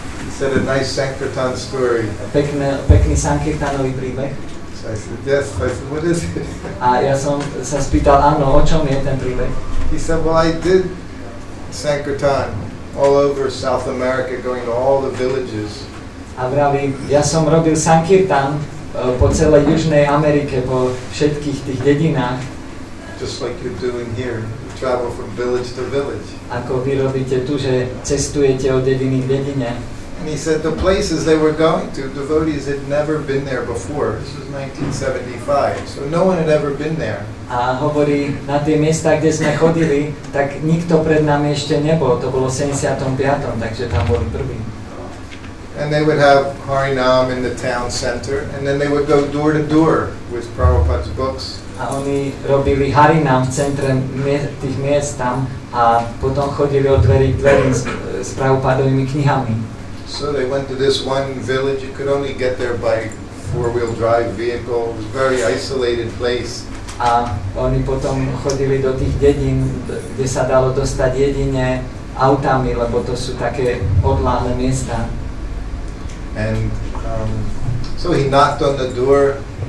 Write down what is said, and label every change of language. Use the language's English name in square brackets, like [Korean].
[English] He said a nice Sankirtan story. [Slovak] Pekný Sankirtanový príbeh. [English] So I said, yes. So I said, what is it? [Slovak] A ja som sa spýtal, áno, o čom je ten príbeh? [English] He said, well, I did Sankirtan all over South America, going to all the villages. [Slovak] A vraví, ja som robil Sankirtan po celej Južnej Amerike, po všetkých tých dedinách. [English] Just like you're doing here, you travel from village to village. [Slovak] Ako vy robíte tu, že cestujete od dediny k dedine. [English] And he said the places they were going to, devotees had never been there before. This was 1975, so no one had ever been there. [Slovak] A hovorí, na tie miesta, kde sme chodili, tak nikto pred nami ešte nebol. To bolo 75, takže tam boli prví. [English] And they would have Harinam in the town center, and then they would go door to door with Prabhupada's books. [Slovak] A oni robili harinám v centre tých miest tam a potom chodili od dverí k dverím s Prabhupádovými knihami. [English] So they went to this one village, you could only get there by four-wheel drive vehicle, it was a very isolated place. [Slovak] A oni potom chodili do tých dedín, kde sa dalo dostať jedine autami, lebo to sú také odláhle miesta. [English] And so he knocked on the door.